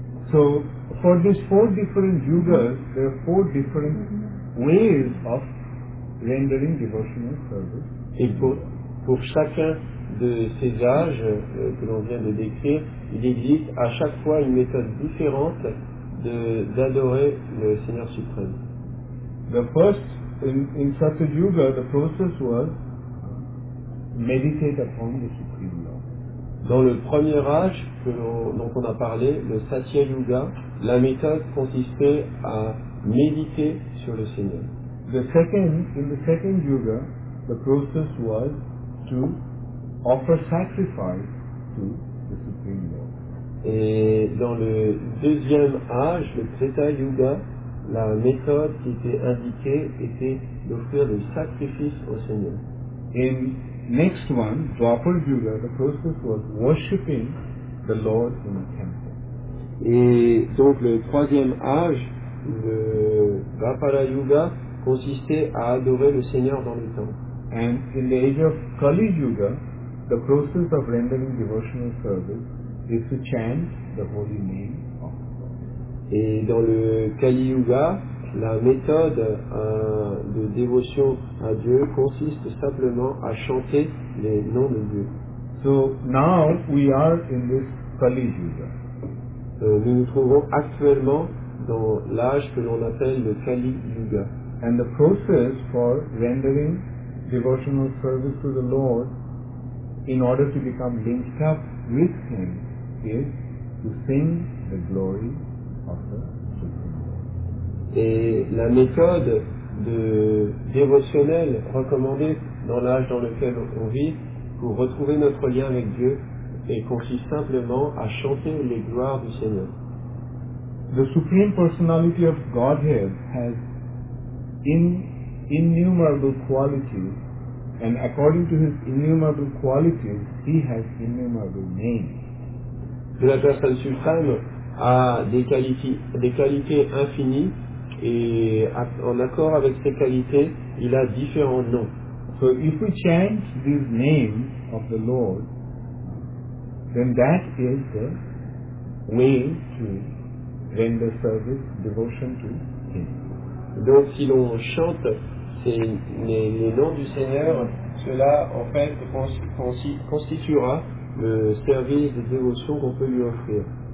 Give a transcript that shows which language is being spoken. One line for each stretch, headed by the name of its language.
English: So, for these four different yugas, there are four different ways of rendering devotional service.
French: Et pour chacun de ces âges que l'on vient de décrire, il existe à chaque fois une méthode différente d'adorer le Seigneur suprême.
English: The first, in such a yuga, the process was meditate upon the Supreme Lord.
French: Dans le premier âge dont on a parlé, le Satya Yuga, la méthode consistait à méditer sur le Seigneur.
English: In the second yuga, the process was to offer sacrifice to the Supreme Lord.
French: Et dans le deuxième âge, le Treta Yuga, la méthode qui était indiquée était d'offrir des sacrifices au Seigneur.
English: Next one, Dwapara Yuga, the process was worshipping the Lord in the temple.
French: Et donc le troisième âge, le Dwapara Yuga, consistait à adorer le Seigneur dans le temple.
English: And in the age of Kali Yuga, the process of rendering devotional service is to chant the holy name of the Lord.
French: Et dans le Kali Yuga, la méthode de dévotion à Dieu consiste simplement à chanter les noms de Dieu.
English: So now we are in this Kali Yuga.
French: Nous nous trouvons actuellement dans l'âge que l'on appelle le Kali Yuga.
English: And the process for rendering devotional service to the Lord in order to become linked up with Him is to sing the glory of the
French: Et la méthode de dévotionnelle recommandée dans l'âge dans lequel on vit pour retrouver notre lien avec Dieu et consiste simplement à chanter les gloires du Seigneur.
English: The Supreme Personality of Godhead has innumerable qualities, and according to his innumerable qualities, he has innumerable names.
French: Que la personne suprême a des qualités infinies. Et en accord avec ses qualités, il a différents noms.
English: So if we chant these names of the Lord, then that is the way to render service, devotion to Him.
French: Donc si l'on chante les noms du Seigneur, cela en fait constituera le service de dévotion qu'on peut lui offrir.